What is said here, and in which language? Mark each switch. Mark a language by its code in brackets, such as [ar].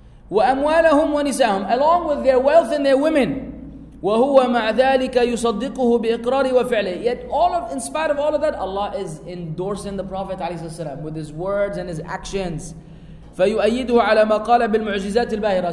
[ar] وأموالهم ونساءهم, [en] along with their wealth and their women, [ar] وهو مع ذلك يصدقه بإقرار وفعله. [en] Yet all of, in spite of all of that, Allah is endorsing the Prophet عليه الصلاة والسلام with his words and his actions. [ar] فيؤيده على ما قال بالمعجزات الباهرة.